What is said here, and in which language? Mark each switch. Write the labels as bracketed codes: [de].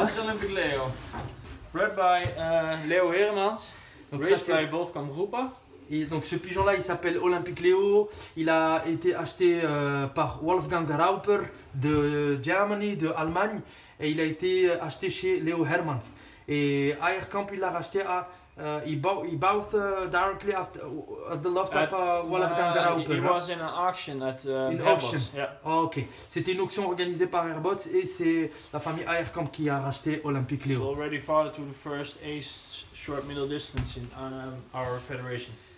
[en] This is Olympique Léo. Bred by Léo Hermans. Donc raised by both Camrupa. [fr] Et donc ce pigeon-là, il s'appelle Olympique Léo. Il a été acheté par Wolfgang Rauper de Germany, de Allemagne. Et il a été acheté chez Léo Hermans. Et Aerkamp, il l'a racheté à... [en] He bought directly after the loft of Wolfgang Rauper. It was in an auction at Airbots. Yeah. Oh, ok. [fr] C'était une auction organisée par Airbots et c'est la famille Aerkamp qui a racheté Olympique Léo. [en] So already father to the first ace short middle distance in our federation.